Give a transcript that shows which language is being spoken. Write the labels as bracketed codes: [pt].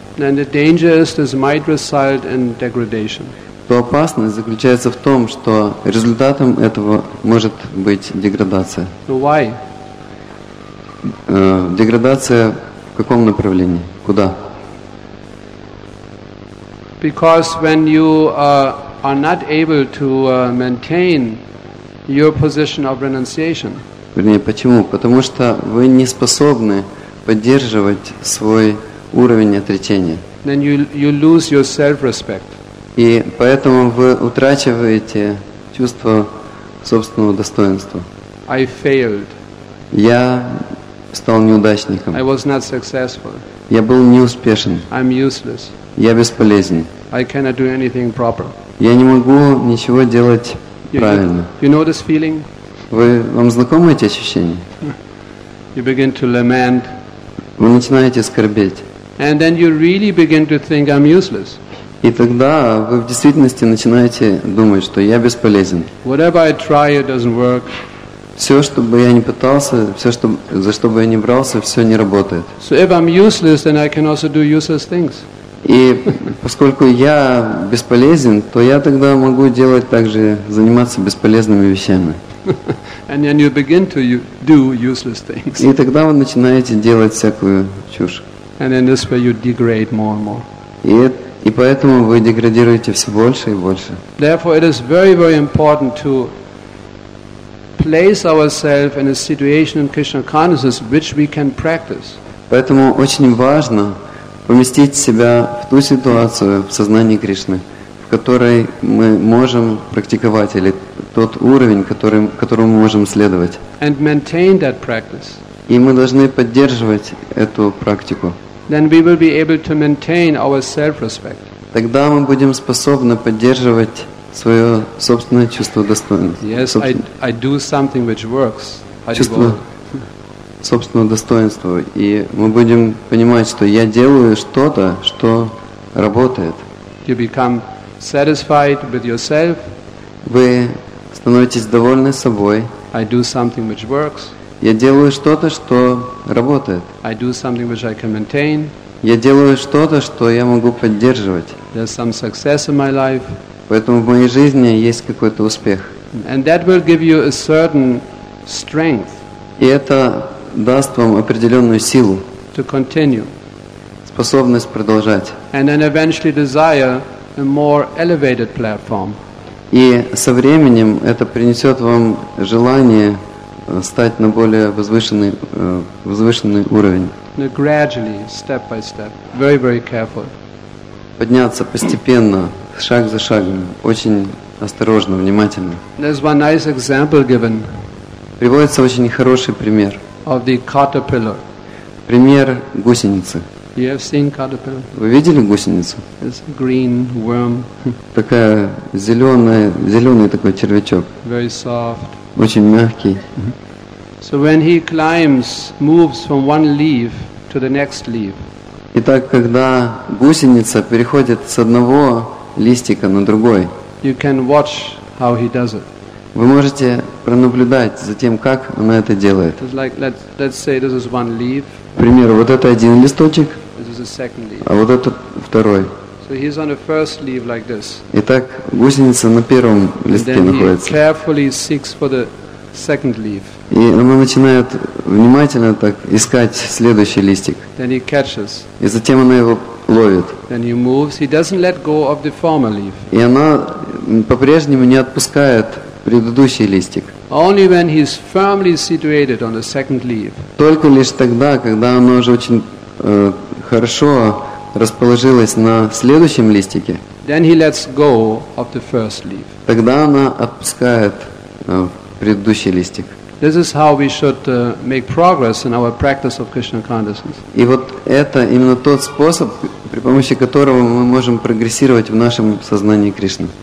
[en] then the danger is this might result in degradation. [ru] То опасность заключается в том, что результатом этого может быть деградация. [en] Why? [ru] Деградация в каком направлении? Куда? [en] Because when you are not able to maintain your position of renunciation. [ru] Вернее, почему? Потому что вы не способны поддерживать свой уровень отречения. [en] Then you lose your self-respect. [ru] И поэтому вы утрачиваете чувство собственного достоинства. [en] I failed. [ru] Я стал неудачником. [en] I was not successful. [ru] Я был неуспешен. [en] I'm useless. [ru] Я бесполезен. [en] I cannot do anything proper. [ru] Я не могу ничего делать правильно. [en] You know this feeling? [ru] Вам знакомы эти ощущения? [en] You begin to lament. [ru] Вы начинаете скорбеть. [en] And then you really begin to think I'm useless. [ru] И тогда вы в действительности начинаете думать, что я бесполезен. [en] Whatever I try, it doesn't work. [ru] Все, что бы я ни пытался, все, что, за что бы я ни брался, все не работает. [en] So if I'm useless, then I can also do useless things. [ru] И поскольку я бесполезен, то я тогда могу делать также, заниматься бесполезными вещами. [en] And then you begin to do useless things. [ru] И тогда вы начинаете делать всякую чушь. [en] And in this way you degrade more and more. [ru] И поэтому вы деградируете все больше и больше. [en] Therefore, it is very, very important to place ourselves in a situation in Krishna consciousness which we can practice. [ru] Поэтому очень важно поместить себя в ту ситуацию в сознании Кришны, в которой мы можем практиковать или тот уровень, которому мы можем следовать. [en] And maintain that practice. [ru] И мы должны поддерживать эту практику. [en] Then we will be able to maintain our self-respect. [ru] Тогда мы будем способны поддерживать свое собственное чувство достоинства. [en] Yes, I do something which works. [ru] Чувство собственного достоинства. И мы будем понимать, что я делаю что-то, что работает. [en] You become satisfied with yourself. [ru] Вы становитесь довольны собой. [en] I do something which works. [ru] Я делаю что-то, что работает. [en] I do something which I can maintain. [ru] Я делаю что-то, что я могу поддерживать. [en] There's some success in my life. [ru] Поэтому в моей жизни есть какой-то успех. [en] And that will give you a certain strength. [ru] И это даст вам определенную силу. [en] To continue. [ru] Способность продолжать. [en] And then eventually desire a more elevated platform. [ru] И со временем это принесет вам желание стать на более возвышенный уровень. [en] And gradually, step by step, very, very carefully. [ru] Подняться постепенно, шаг за шагом, очень осторожно, внимательно. [en] There's one nice example given. [ru] Приводится очень хороший пример. [en] Of the caterpillar. [ru] Пример гусеницы. [en] You have seen caterpillar? [ru] Вы видели гусеницу? [en] It's a green worm. [ru] Такая зеленый такой червячок. [en] Very soft. [ru] Очень мягкий. [en] So when he climbs, moves from one leaf to the next leaf. [ru] Итак, когда гусеница переходит с одного листика на другой, [en] you can watch how he does it. [ru] Вы можете пронаблюдать за тем, как она это делает. [en] It's like, let's say this is one leaf. [ru] К примеру, вот это один листочек, [en] this is a second leaf. [ru] А вот это второй. [en] So he's on the first leaf like this. [ru] Итак, гусеница на первом листке [en] then [ru] находится. [en] He carefully seeks for the second leaf. [ru] И она начинает внимательно так искать следующий листик. [en] Then he catches. [ru] И затем она его ловит. [en] Then he moves. He doesn't let go of the former leaf. [ru] И она по-прежнему не отпускает предыдущий листик. [en] Only when he's firmly situated on the second leaf. [ru] Только лишь тогда, когда оно уже очень хорошо расположилось на следующем листике. [en] Then he lets go of the first leaf. [ru] Тогда она отпускает предыдущий листик. [en] This is how we should make progress in our practice of Krishna consciousness. [ru] И вот это именно тот способ, при помощи которого мы можем прогрессировать в нашем сознании Кришны.